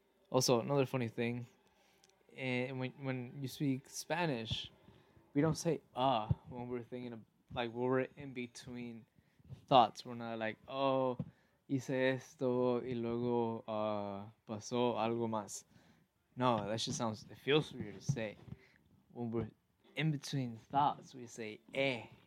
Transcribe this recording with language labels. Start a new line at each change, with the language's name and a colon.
English: Also, another funny thing, when you speak Spanish, we don't say when we're thinking of, like, when we're in between thoughts. We're not like, oh,
Spanish: hice esto y luego pasó algo más.
English: No, that just sounds, it feels weird to say. When we're in between thoughts, we say eh.